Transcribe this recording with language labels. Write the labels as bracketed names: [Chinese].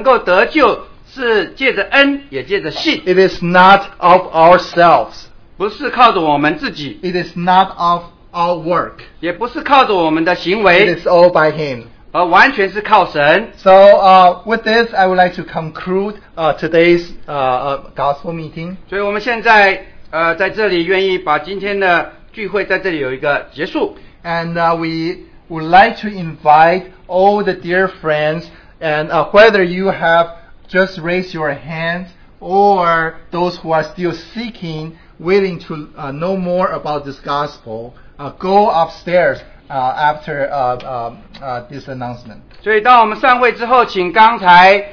[Chinese] 所以圣经也告诉我们，我们能够得救是借着恩，也借着信。 [English] It is not of ourselves. [Chinese] 不是靠着我们自己。 [English] It is not of our work. [Chinese] 也不是靠着我们的行为。 [English] It is all by Him. [Chinese] 而完全是靠神。 [English] So with this, I would like to conclude today's gospel meeting. [Chinese] 所以我们现在在这里愿意把今天的聚会在这里有一个结束。 [English] And we would like to invite all the dear friends, and whether you have just raised your hands or those who are still seeking, willing to know more about this gospel, go upstairs. After this announcement. [Chinese] 所以当我们散会之后，请刚才。